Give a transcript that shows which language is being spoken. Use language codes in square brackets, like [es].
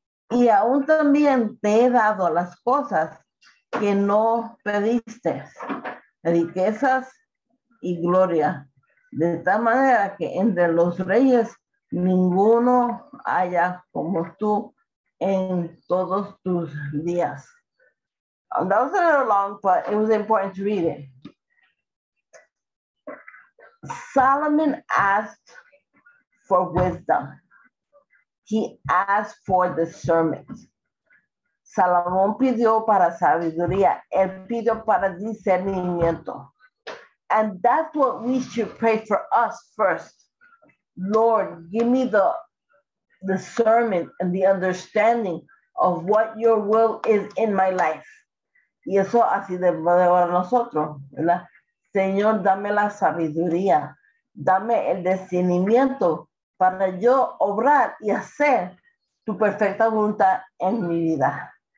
[es] Y aún también te he dado las cosas que no pediste, riquezas y gloria, de tal manera que entre los reyes ninguno haya como tú en todos tus días. [en] That was a little long, but it was important to read it. Solomon asked for wisdom. He asked for discernment. [es] Salomón pidió para sabiduría. Él pidió para discernimiento. [en] And that's what we should pray for us first. Lord, give me the discernment and the understanding of what your will is in my life. [es] Y eso así debe de ser nosotros, ¿verdad? Señor, dame la sabiduría. Dame el discernimiento para yo obrar y hacer tu perfecta voluntad en mi vida.